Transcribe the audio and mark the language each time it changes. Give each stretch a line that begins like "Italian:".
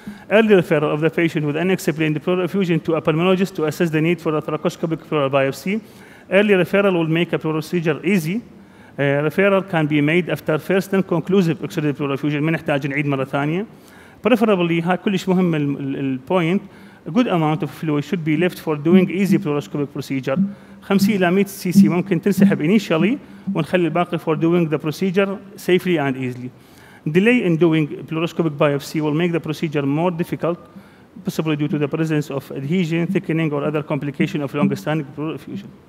English: early referral of the patient with unexplained pleural effusion to a pulmonologist to assess the need for a thoracoscopic pleural biopsy. Early referral will make a pleural procedure easy. Referral can be made after first and conclusive oxidative pleural effusion.
Arabic: ما نحتاج نعيد مرة ثانية.
English: Preferably,
Arabic: ها كلش مهم ال point.
English: A good amount of fluid should be left for doing easy pleuroscopic procedure. 50 to 100 cc
Arabic: ممكن تنسحب
English: initially
Arabic: ونخلي الباقي
English: for doing the procedure safely and easily. Delay in doing pleuroscopic biopsy will make the procedure more difficult, possibly due to the presence of adhesion, thickening, or other complication of long-standing pleural effusion.